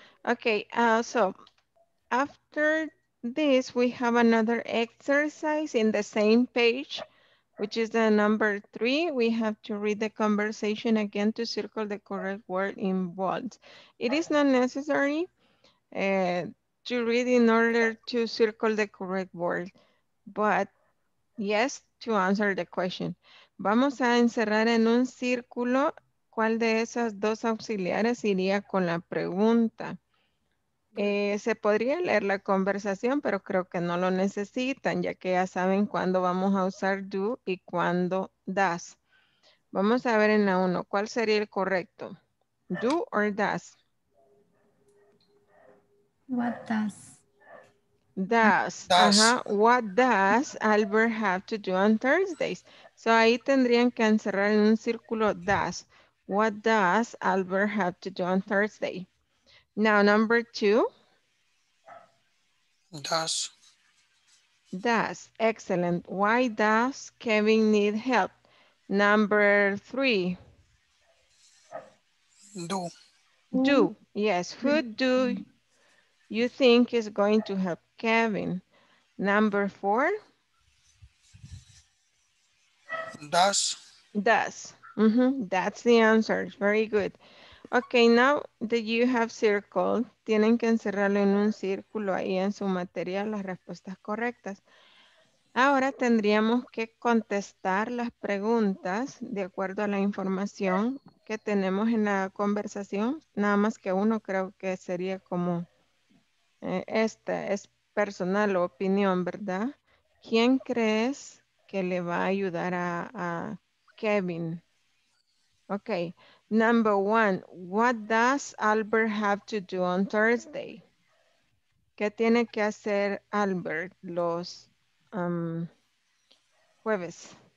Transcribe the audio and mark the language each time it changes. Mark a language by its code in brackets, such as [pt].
[en] Okay, so after this, we have another exercise in the same page, which is the number 3. We have to read the conversation again to circle the correct word in bold. It is not necessary to read in order to circle the correct word, but yes, to answer the question. [es] Vamos a encerrar en un círculo cuál de esas dos auxiliares iría con la pregunta. Se podría leer la conversación, pero creo que no lo necesitan, ya que ya saben cuándo vamos a usar do y cuándo does. Vamos a ver en la 1, ¿cuál sería el correcto? [en] Do or does? What does? Does. Uh-huh. What does Albert have to do on Thursdays? [es] So ahí tendrían que encerrar en un círculo does. [en] What does Albert have to do on Thursday? Now, number 2. Does. Does. Excellent. Why does Kevin need help? Number 3. Do. Do. Yes. Who do you think is going to help Kevin? Number 4. Does. Does. Mm-hmm. That's the answer. Very good. Okay, now that you have circled, [es] tienen que encerrarlo en un círculo ahí en su material, las respuestas correctas. Ahora tendríamos que contestar las preguntas de acuerdo a la información que tenemos en la conversación. Nada más que uno creo que sería como, esta es personal opinión, ¿verdad? ¿Quién crees que le va a ayudar a Kevin? [en] Okay. Number 1, what does Albert have to do on Thursday? [es] ¿Qué tiene que hacer Albert los jueves?